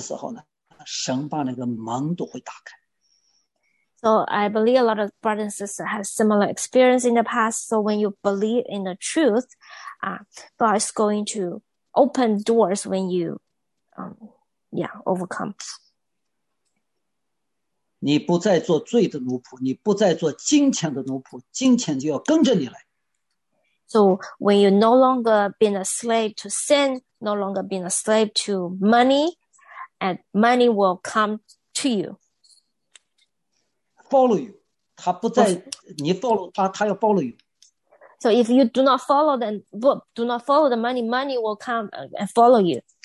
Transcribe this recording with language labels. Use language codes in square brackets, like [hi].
[zh] 所以就是说，我们弟兄姐妹都有这种经历，就是说，当我们在这方面相信真理的时候呢，得胜的时候呢，神把那个门都会打开。 [en] So I believe a lot of brothers and sisters have similar experience in the past. So when you believe in the truth, God is going to open doors when you, overcome. [zh] 你不再做罪的奴仆，你不再做金钱的奴仆，金钱就要跟着你来。 [en] So when you no longer been a slave to sin, no longer been a slave to money, and money will come to you. Follow you, 他不再，你 follow 他要 follow you. So if you do not follow then do not follow the money, money will come and follow you.